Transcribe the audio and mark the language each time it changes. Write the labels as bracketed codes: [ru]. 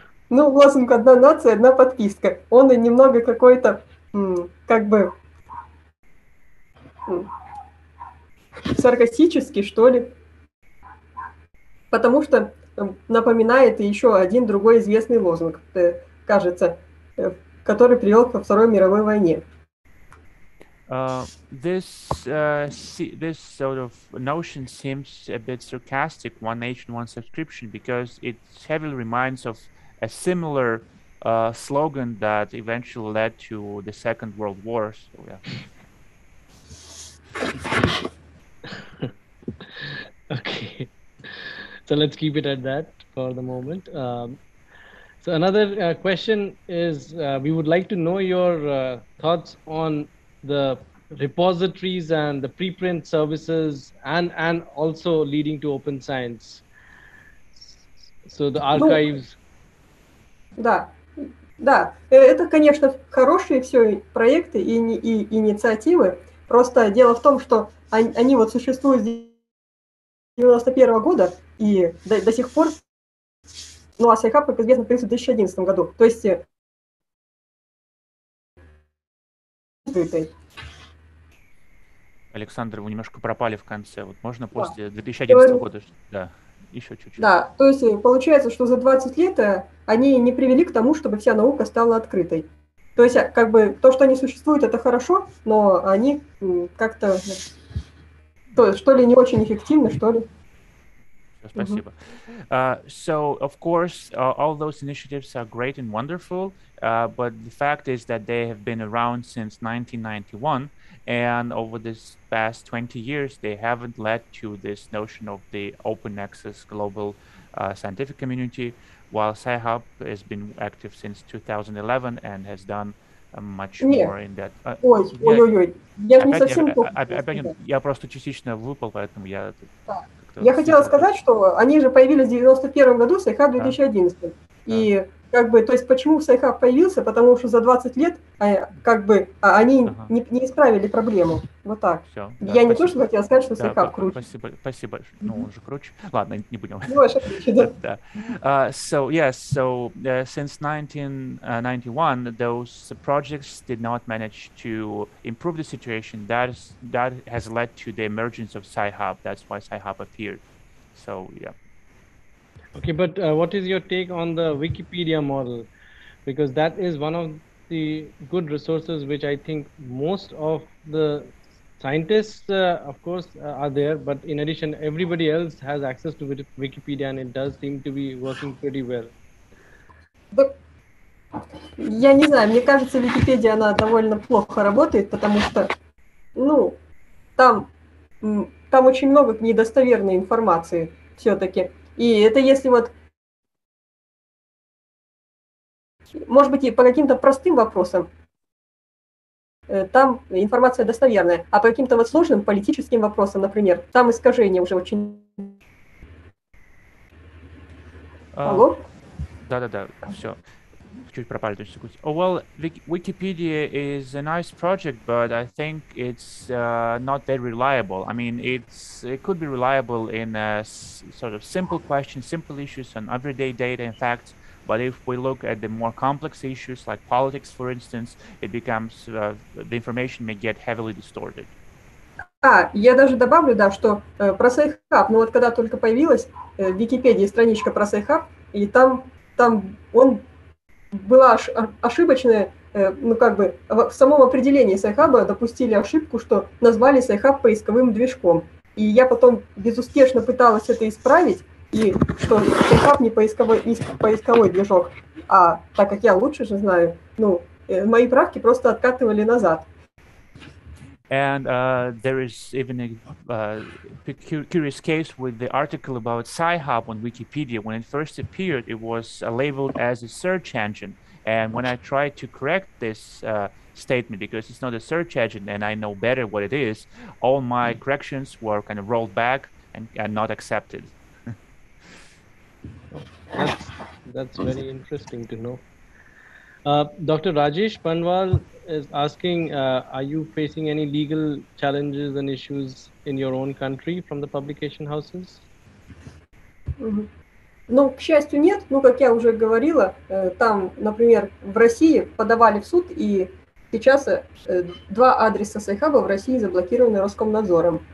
[ru] Ну, Власенко, одна нация, одна подписка. Он и немного какой-то, как бы, саркастический, что ли. Потому что напоминает еще один другой известный лозунг, кажется, который привел ко Второй мировой войне. [en] This sort of notion seems a bit sarcastic, one nation, one subscription, because it heavily reminds of a similar slogan that eventually led to the Second World War. So, yeah. Okay, so let's keep it at that for the moment. So another question is, we would like to know your thoughts on the repositories and the preprint services and also leading to open science. So the archives. [ru] Да, да, это, конечно, хорошие все проекты и инициативы. Просто дело в том, что они вот существуют с 91 года и до сих пор, ну, а Sci-Hub, как известно, появился в 2011 году. То есть, Александр, вы немножко пропали в конце. Вот можно после 2011 года? Да, еще чуть-чуть. Да, то есть получается, что за 20 лет они не привели к тому, чтобы вся наука стала открытой. То есть, как бы, то, что они существуют, это хорошо, но они как-то, что ли, не очень эффективны, что ли. Спасибо. [en] So, of course, all those initiatives are great and wonderful, but the fact is that they have been around since 1991, and over this past 20 years, they haven't led to this notion of the open access global scientific community, while Sci-Hub has been active since 2011 and has done much more in that. [ru] Я просто частично выпал, поэтому я... Так. Я хотела сказать, что они же появились в 91 году, Sci-Hub в 2011. Да. И как бы, то есть почему Sci-Hub появился? Потому что за 20 лет как бы они не исправили проблему. Вот так. Все, да, я спасибо. Не то, что хотела сказать, что Sci-Hub круче. Спасибо, спасибо. Ну, он же круче. Ладно, не будем. Ну, ваше круче, да. Да. [en] So, yes, so since 1991, those projects did not manage to improve the situation. That has led to the emergence of Sci-Hub. That's why Sci-Hub appeared. So, yeah. Okay, but what is your take on the Wikipedia model? Because that is one of the good resources which I think most of the scientists, of course, are there. But in addition, everybody else has access to Wikipedia, and it does seem to be working pretty well. [ru] Я не знаю, мне кажется, Википедия, она довольно плохо работает, потому что, ну, там очень много недостоверной информации все-таки. И это если вот, может быть, и по каким-то простым вопросам, там информация достоверная, а по каким-то вот сложным политическим вопросам, например, там искажения уже очень... Алло? Да-да-да, все. Чуть пропали, то есть секунду. [en] Oh, well, Wikipedia is a nice project, but I think it's not very reliable. I mean, it could be reliable in a sort of simple questions, simple issues on everyday data and facts. But if we look at the more complex issues like politics, for instance, it becomes the information may get heavily distorted. [ru] А, я даже добавлю, да, что про Sci-Hub. Ну вот когда только появилась в Википедии страничка про Sci-Hub, и там он была ошибочная, ну как бы, в самом определении Sci-Hub допустили ошибку, что назвали Sci-Hub поисковым движком. И я потом безуспешно пыталась это исправить, и что Sci-Hub не поисковой движок. А так как я лучше же знаю, ну, мои правки просто откатывали назад. [en] And there is even a curious case with the article about Sci-Hub on Wikipedia. When it first appeared, it was labeled as a search engine. And when I tried to correct this statement, because it's not a search engine and I know better what it is, all my corrections were kind of rolled back and not accepted. That's very interesting to know. Dr. Rajesh Panwal is asking, are you facing any legal challenges and issues in your own country from the publication houses? [ru] Ну, к счастью, нет. Ну, как я уже говорила, там, например, в России подавали в суд, и сейчас два адреса Sci-Hub в России заблокированы Роскомнадзором.